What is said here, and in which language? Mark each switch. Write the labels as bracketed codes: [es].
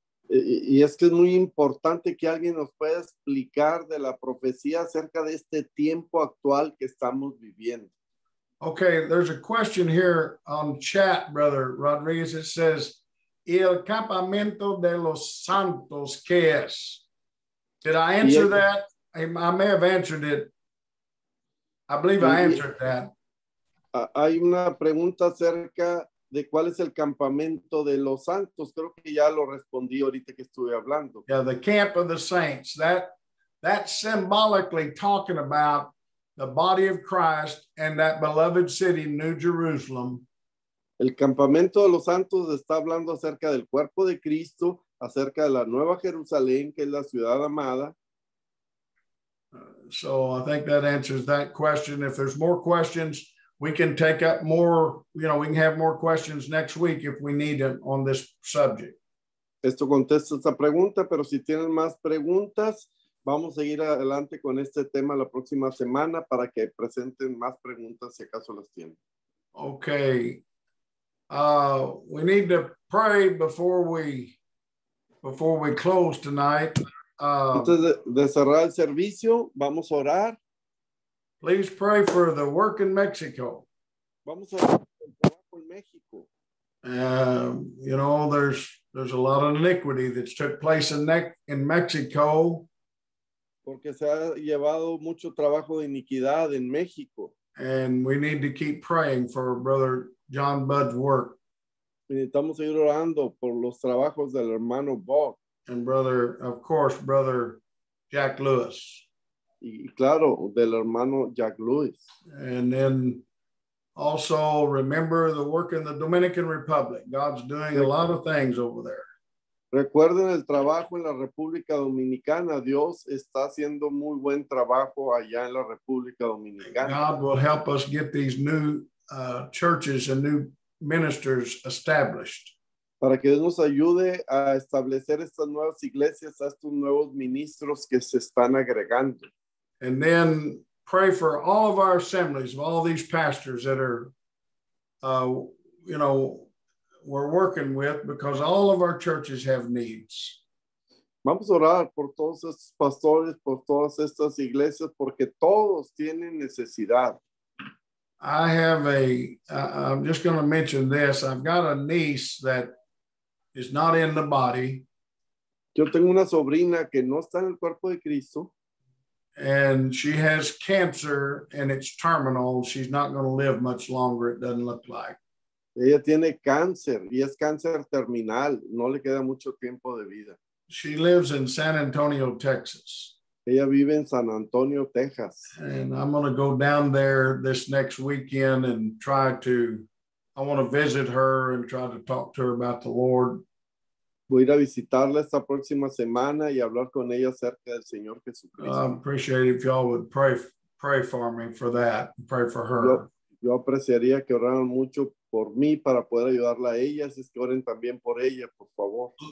[es] Y es que es muy importante que alguien nos pueda explicar de la profecía acerca de este tiempo actual que estamos viviendo. [en] Okay, there's a question here on chat, Brother Rodriguez. It says, [es] ¿El campamento de los santos qué es? [en] Did I answer that? I may have answered it. I believe I answered that. [es] Hay una pregunta acerca de cuál es el campamento de los santos. Creo que ya lo respondí ahorita que estuve hablando. [en] Yeah, the camp of the saints. That's symbolically talking about the body of Christ and that beloved city, New Jerusalem. [es] El campamento de los santos está hablando acerca del cuerpo de Cristo, acerca de la Nueva Jerusalén, que es la ciudad amada. [en] So I think that answers that question. If there's more questions, we can take up more, you know, we can have more questions next week if we need them on this subject. [es] Esto contesta esta pregunta, pero si tienen más preguntas, vamos a seguir adelante con este tema la próxima semana para que presenten más preguntas si acaso las tienen. [en] Okay. We need to pray before we close tonight. [es] Antes de cerrar el servicio, vamos a orar. [en] Please pray for the work in Mexico. [es] Vamos a orar por México. [en] You know, there's a lot of iniquity that's took place in Mexico. [es] Porque se ha llevado mucho trabajo de iniquidad en México. [en] And we need to keep praying for Brother John Budd's work. [es] Necesitamos seguir orando por los trabajos del hermano Bob. [en] And brother, of course, brother Jack Lewis. [es] Y claro, del hermano Jack Lewis. [en] And then also remember the work in the Dominican Republic. God's doing a lot of things over there. [es] Recuerden el trabajo en la República Dominicana. Dios está haciendo muy buen trabajo allá en la República Dominicana. [en] God will help us get these new churches and new ministers established. [es] Para que Dios nos ayude a establecer estas nuevas iglesias, a estos nuevos ministros que se están agregando. [en] And then pray for all of our assemblies, of all these pastors that are, you know, we're working with, because all of our churches have needs. [es] Vamos a orar por todos estos pastores, por todas estas iglesias, porque todos tienen necesidad. [en] I'm just going to mention this. I've got a niece that is not in the body. [es] Yo tengo una sobrina que no está en el cuerpo de Cristo. [en] And she has cancer and it's terminal. She's not going to live much longer, it doesn't look like. [es] Ella tiene cáncer y es cáncer terminal. No le queda mucho tiempo de vida. [en] She lives in San Antonio, Texas. [es] Ella vive en San Antonio, Texas. [en] And I'm going to go down there this next weekend and I want to visit her and try to talk to her about the Lord. [es] Voy a visitarla esta próxima semana y hablar con ella acerca del Señor Jesucristo. [en] I appreciate if y'all would pray for me for that, pray for her. [es] Yo apreciaría que oraran mucho por mí para poder ayudarla a ella, así que oren también por ella, por favor.